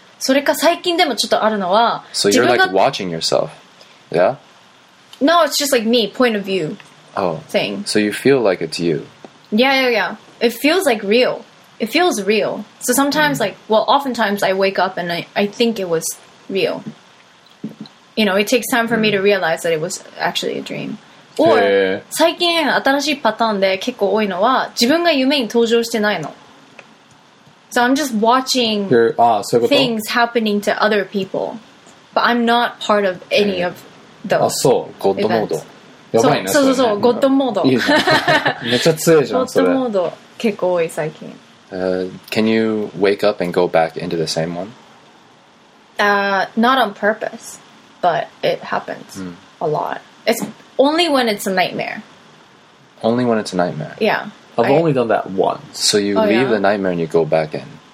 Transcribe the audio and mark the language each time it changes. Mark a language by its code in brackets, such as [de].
[ja] それか最近でもちょっとあるのは、 [en] So you're like watching yourself. Yeah? No, it's just like me, point of view. Oh. Thing. So you feel like it's you. Yeah. It feels like real. It feels real. So sometimes oftentimes I wake up and I think it was real. You know, it takes time for me to realize that it was actually a dream. [ja] Or, 最近新しいパターンで結構多いのは自分が夢に登場してないの。 [en] So I'm just watching things happening to other people. But I'm not part of any of those events. [ja] そう、ゴッドモード。やばいな、それ。そう、ゴッドモード。いいな。めっちゃ強いじゃん、それ。ゴッドモード結構多い、最近。 [en] Can you wake up and go back into the same one? Not on purpose, but it happens a lot. It's only when it's a nightmare. Only when it's a nightmare? Yeah. I've only done that once. So you leave the nightmare and you go back in.